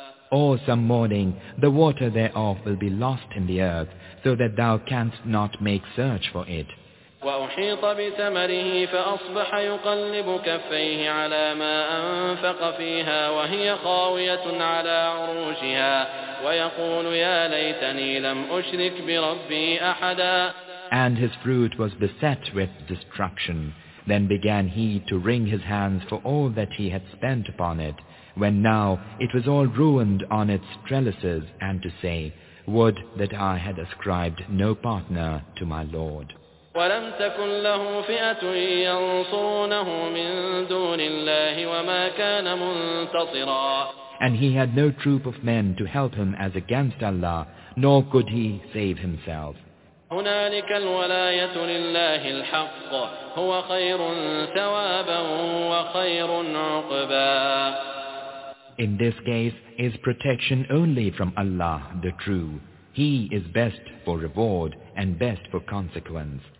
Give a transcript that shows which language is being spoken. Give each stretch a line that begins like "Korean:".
English: Or some morning the water thereof will be lost in the earth, so that thou canst not make search for it.
Arabic: وأحيط بثمره فأصبح يقلب كفيه على ما أنفق فيها وهي خاوية على عروشها ويقول يا ليتني لم أشرك بربي أحدا.
English: And his fruit was beset with destruction. Then began he to wring his hands for all that he had spent upon it, when now it was all ruined on its trellises, and to say, Would that I had ascribed no partner to my Lord.
Arabic: ولم تكن له فئة ينصرونه من دون الله وما كان منتصرا.
English: And he had no troop of men to help him as against Allah, nor could he save himself.
Arabic: هنالك الولاية لله الحق هو خير ثوابا وخير عقبا.
English: In this case is protection only from Allah the true. He is best for reward and best for consequence.